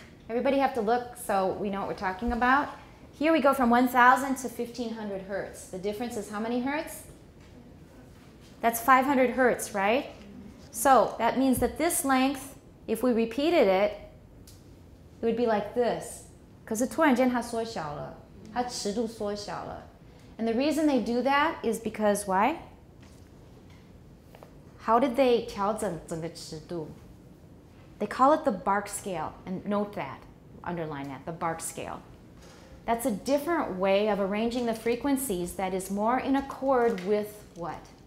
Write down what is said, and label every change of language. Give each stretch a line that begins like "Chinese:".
English: Everybody have to look so we know what we're talking about. Here we go from 1,000 to 1,500 hertz. The difference is how many hertz? That's 500 hertz, right? So that means that this length, if we repeated it, it would be like this.
Chinese: 可是突然间它缩小了，它尺度缩小了。
English: And the reason they do that is because why? How did they
Chinese: 调整整个尺度?
English: They call it the bark scale, and note that, underline that, the bark scale. That's a different way of arranging the frequencies that is more in accord with what?